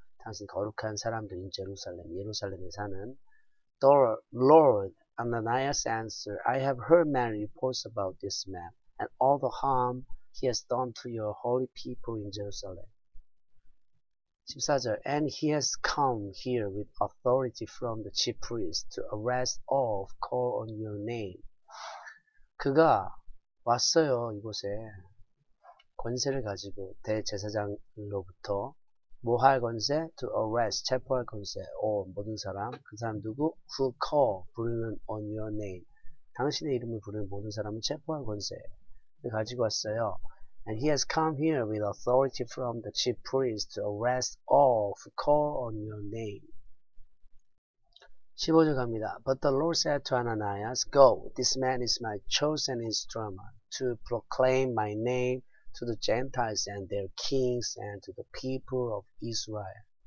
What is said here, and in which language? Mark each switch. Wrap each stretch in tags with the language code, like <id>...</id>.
<ko>당신 거룩한 사람들인 예루살렘, 예루살렘에 사는</ko> <en>The Lord Ananias answered, I have heard many reports about this man and all the harm he has done to your holy people in Jerusalem.</en> <ko>14절,</ko> <en>And he has come here with authority from the chief priest to arrest all who call on your name.</en> <ko>그가 왔어요, 이곳에. 권세를 가지고 대제사장으로부터 뭐할 권세?</ko> <en>To arrest,</en> <ko>체포할 권세. 오, 모든 사람. 그 사람 누구?</ko> <en>Who call,</en> <ko>부르는</ko> <en>on your name.</en> <ko>당신의 이름을 부르는 모든 사람을 체포할 권세를 가지고 왔어요.</ko> <en>And he has come here with authority from the chief priest to arrest all who call on your name.</en> <ko>15절 갑니다.</ko> <en>But the Lord said to Ananias, Go, this man is my chosen instrument to proclaim my name to the Gentiles and their kings and to the people of Israel.</en>